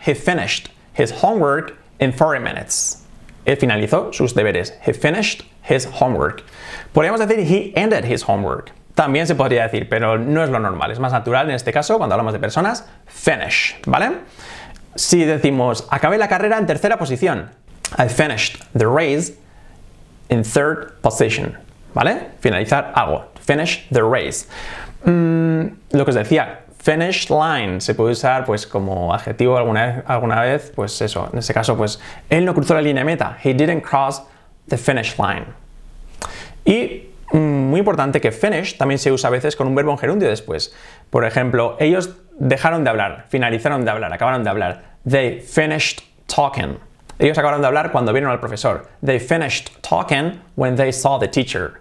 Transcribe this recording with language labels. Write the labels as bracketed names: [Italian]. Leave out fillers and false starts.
[English] He finished his homework in 40 minutes. [Spanish] Él finalizó sus deberes. [English] He finished his homework. [Spanish] Podríamos decir, [English] he ended his homework. [Spanish] También se podría decir, pero no es lo normal. Es más natural en este caso, cuando hablamos de personas, finish, ¿vale? Si decimos, acabé la carrera en tercera posición. [English] I finished the race in third position, [Spanish] ¿vale? Finalizar algo. [English] Finish the race. [Spanish] Lo que os decía, finish line se puede usar pues como adjetivo alguna vez, pues eso. En este caso, pues, él no cruzó la línea meta. [English] He didn't cross the finish line. [Spanish] Y muy importante que finish también se usa a veces con un verbo en gerundio después. Por ejemplo, ellos dejaron de hablar, finalizaron de hablar, acabaron de hablar. [English] They finished talking. [Spanish] Ellos acabaron de hablar cuando vieron al profesor. [English] They finished talking when they saw the teacher.